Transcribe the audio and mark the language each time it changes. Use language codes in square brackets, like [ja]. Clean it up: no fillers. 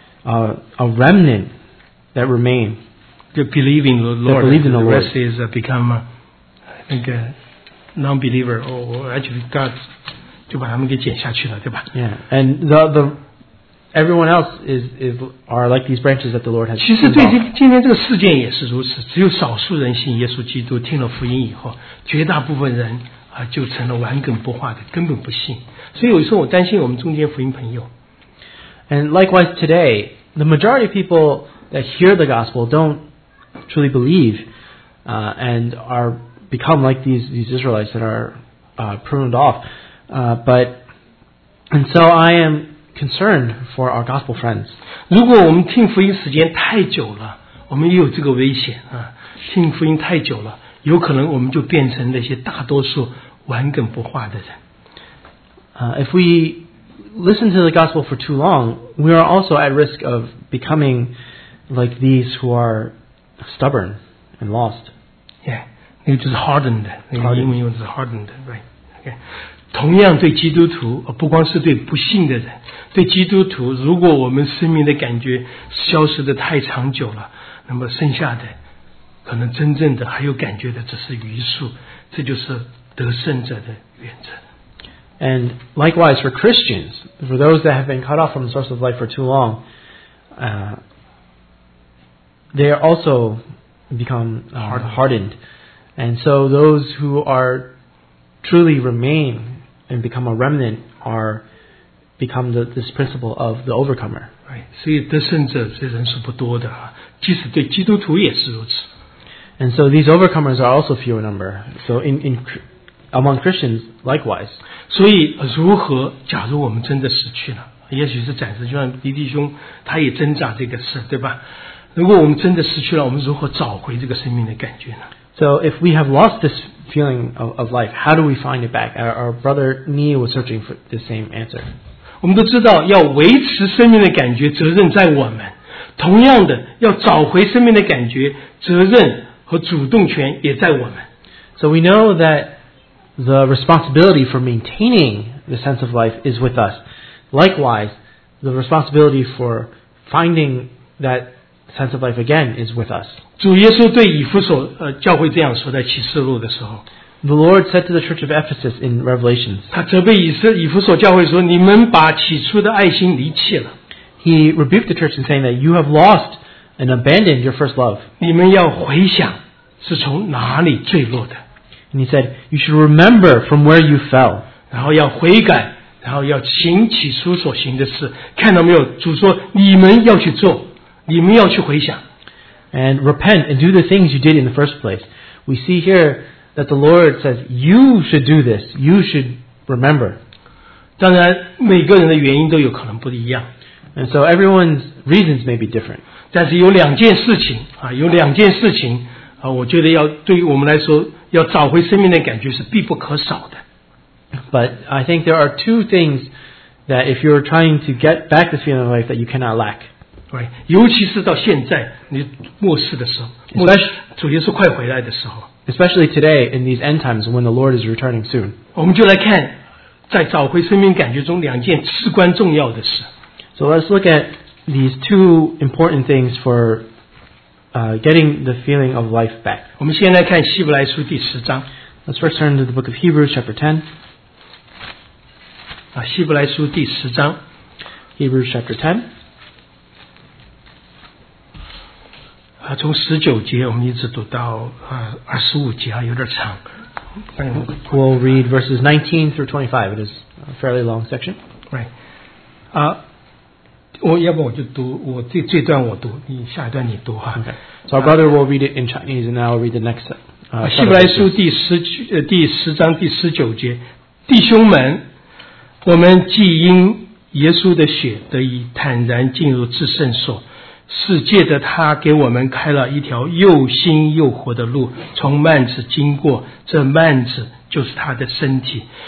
[en] A remnant that remain. They believe in the Lord. They believe in the Lord. The rest is become, I think, a non-believer. Or actually, [zh] God 就把他们给剪下去了，对吧？ [en] Yeah. And the everyone else are like these branches that the Lord has. [zh] 其实对今天这个事件也是如此。只有少数人信耶稣基督，听了福音以后，绝大部分人就成了顽梗不化的，根本不信。所以有时候我担心我们中间福音朋友。 [en] And likewise today, the majority of people that hear the gospel don't truly believe, and are become like these Israelites that are pruned off. But so I am concerned for our gospel friends. [zh] 如果我们听福音时间太久了，我们也有这个危险啊。听福音太久了，有可能我们就变成那些大多数顽梗不化的人。 [en] If we listen to the gospel for too long, we are also at risk of becoming like these who are stubborn and lost. [zh] Yeah, 那个就是 hardened， 那个英文用的是 hardened， right？ [en] Okay。 [zh] 同样对基督徒，不光是对不信的人，对基督徒，如果我们生命的感觉消失的太长久了，那么剩下的可能真正的还有感觉的只是余数，这就是得胜者的原则。 [en] And likewise for Christians, for those that have been cut off from the source of life for too long, they are also become hardened. And so those who are truly remain and become a remnant are become the, this principle of the overcomer. Right. [zh] 所以得胜者这人是不多的，即使对基督徒也是如此。 [en] And so these overcomers are also few in number. So in among Christians, likewise. [zh] 所以如何，假如我们真的失去了，也许是暂时，就像弟兄他也挣扎这个事，对吧？如果我们真的失去了，我们如何找回这个生命的感觉呢？ [en] So if we have lost this feeling of life, how do we find it back? Our brother Nia was searching for the same answer. [zh] 我们都知道要维持生命的感觉，责任在我们。同样的，要找回生命的感觉，责任和主动权也在我们。 [en] So we know that the responsibility for maintaining the sense of life is with us. Likewise, the responsibility for finding that sense of life again is with us. [zh] 主耶稣对以弗所教会这样说，在启示录的时候。 [en] The Lord said to the church of Ephesus in Revelation. [zh] 他责备以弗所教会说，你们把起初的爱心离弃了。 [en] He rebuked the church in saying that you have lost and abandoned your first love. [zh] 你们要回想是从哪里坠落的。 [en] And he said, you should remember from where you fell. [zh] 然后要悔改，然后要行起初所行的事。看到没有，主说你们要去做，你们要去回想。 [en] And repent and do the things you did in the first place. We see here that the Lord says, you should do this, you should remember. [zh] 当然每个人的原因都有可能不一样。 [en] And so everyone's reasons may be different. [zh] 但是有两件事情，有两件事情，我觉得要对于我们来说，要找回生命的感觉是必不可少的。 [en] But I think there are two things that if you're trying to get back the feeling of life that you cannot lack. Right. [zh] 尤其是到现在，你末世的时候，主耶稣快回来的时候。 [en] Especially today in these end times when the Lord is returning soon. [zh] 我们就来看，在找回生命感觉中两件至关重要的事。 [en] So let's look at these two important things for getting the feeling of life back. [zh] 我们先来看希伯来书第十章。 [en] Let's first turn to the book of Hebrews chapter 10. [zh] 希伯来书第十章。 [en] Hebrews chapter 10. [zh] 从十九节我们一直读到二十五节，有点长。 [en] We'll read verses 19 through 25. It is a fairly long section. Right. [zh] 我要不我就读我这段我读，你下一段你读哈。 [en] Okay. So our brother will read it in Chinese, and I'll read the next set. [zh] 希伯来书第十章第十九节，弟兄们，我们既因耶稣的血得以坦然进入至圣所，是借着他给我们开了一条又新又活的路，从幔子经过，这幔子就是他的身体。